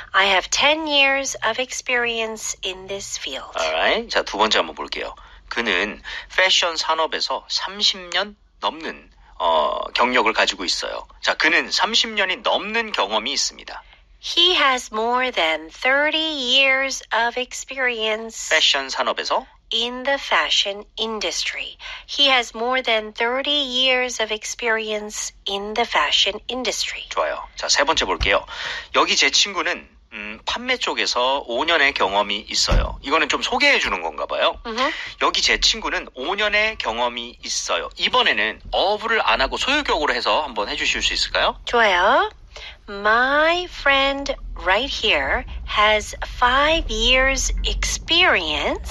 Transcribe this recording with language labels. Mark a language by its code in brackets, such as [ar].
[en] I have 10 years of experience in this field. All right. [ko] 자, 두 번째 한번 볼게요. 그는 패션 산업에서 30년 넘는 경력을 가지고 있어요. 자, 그는 30년이 넘는 경험이 있습니다. [en] He has more than 30 years of experience [ko] 패션 산업에서 [en] in the fashion industry. He has more than 30 years of experience in the fashion industry. [ko] 좋아요. 자, 세 번째 볼게요. 여기 제 친구는 판매 쪽에서 5년의 경험이 있어요. 이거는 좀 소개해 주는 건가 봐요. Mm-hmm. 여기 제 친구는 5년의 경험이 있어요. 이번에는 of를 안 하고 소유격으로 해서 한번 해 주실 수 있을까요? 좋아요. [en] My friend right here has 5 years experience